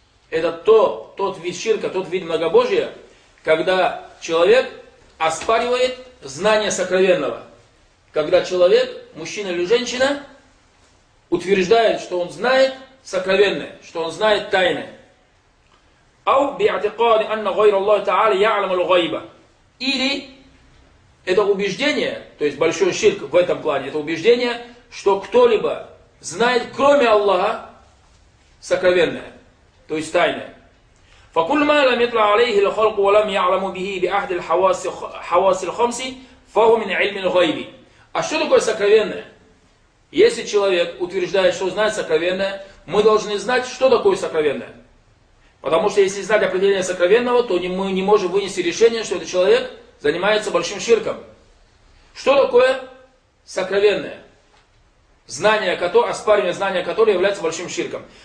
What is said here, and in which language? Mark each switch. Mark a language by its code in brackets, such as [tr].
[ru] Это тот вид ширка, тот вид многобожия, когда человек оспаривает знание сокровенного. Когда человек, мужчина или женщина, утверждает, что он знает сокровенное, что он знает тайны. [ar] أو باعتقاد أن غير الله تعالى يعلم الغيبة. [ru] Или это убеждение, то есть большой ширк в этом плане, это убеждение, что кто-либо знает кроме Аллаха сокровенное, то есть тайное. [ar] فكل ما لم يطلع عليه الخلق ولم يعلم به بأحد الحواس الخمس فهو من علم الغيب. [ru] А что такое сокровенное? Если человек утверждает, что знает сокровенное, мы должны знать, что такое сокровенное. Потому что если знать определение сокровенного, то мы не можем вынести решение, что этот человек занимается большим ширком. Что такое сокровенное? Знание, оспаривание знания, которое является большим ширком.